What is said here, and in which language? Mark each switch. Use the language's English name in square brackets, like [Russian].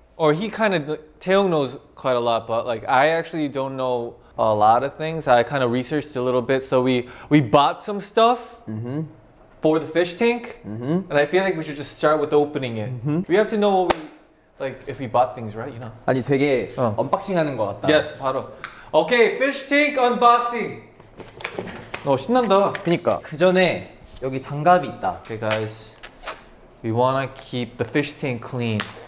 [English] Or he kind of, Taeyong knows quite a lot, but like I actually don't know a lot of things. I kind of researched a little bit. So we bought some stuff for the fish tank. And I feel like we should just start with opening it. We have to know what if we bought things, right? You know? [Korean] 아니 되게 언박싱 하는 것 같다. [English] Yes, 바로. Okay, fish tank unboxing. [Korean] 너 신난다. 그니까. 그 전에 여기 장갑이 있다. [English] Okay, guys. We want to keep the fish tank clean.